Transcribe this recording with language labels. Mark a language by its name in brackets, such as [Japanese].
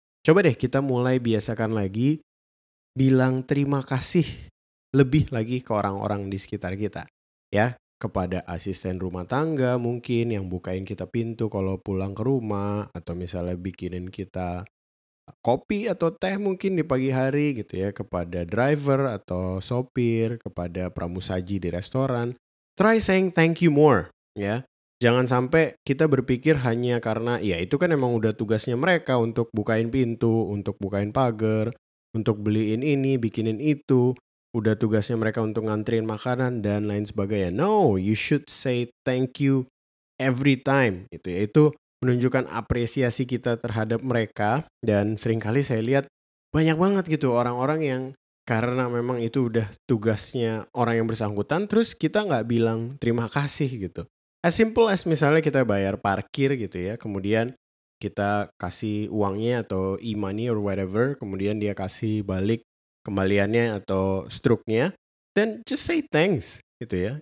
[Indonesian] Coba deh kita mulai biasakan lagi. Bilang terima kasih lebih lagi ke orang-orang di sekitar kita ya, kepada asisten rumah tangga mungkin yang bukain kita pintu kalau pulang ke rumah, atau misalnya bikinin kita kopi atau teh mungkin di pagi hari gitu ya, kepada driver atau sopir, kepada pramusaji di restoran. [English] Try saying thank you more [Indonesian] ya. Jangan sampai kita berpikir hanya karena ya itu kan emang udah tugasnya mereka untuk bukain pintu, untuk bukain pagar, untuk beliin ini, bikinin itu, udah tugasnya mereka untuk ngantriin makanan dan lain sebagainya. [English] No, you should say thank you every time. [Indonesian] Itu yaitu menunjukkan apresiasi kita terhadap mereka. Dan seringkali saya lihat banyak banget gitu orang-orang yang karena memang itu udah tugasnya orang yang bersangkutan, terus kita nggak bilang terima kasih gitu. [English] As simple as [Indonesian] misalnya kita bayar parkir gitu ya, kemudian kita kasih uangnya atau e-money [English] or whatever, [Indonesian] kemudian dia kasih balik kembaliannya atau struknya, [English] then just say thanks [Indonesian] gitu ya.